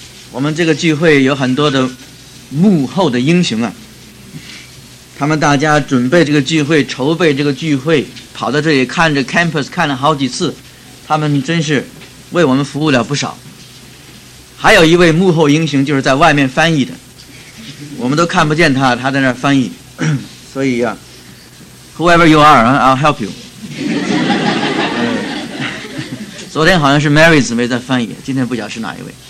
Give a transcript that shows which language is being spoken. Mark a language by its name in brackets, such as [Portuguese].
[Chinese] 我们这个聚会有很多的幕后的英雄啊，他们大家准备这个聚会、筹备这个聚会，跑到这里看着 campus 看了好几次，他们真是为我们服务了不少。还有一位幕后英雄，就是在外面翻译的，我们都看不见他，他在那翻译。所以啊 [English] whoever you are, I'll help you. [Chinese] 昨天好像是 Mary 姊妹在翻译，今天不晓得是哪一位。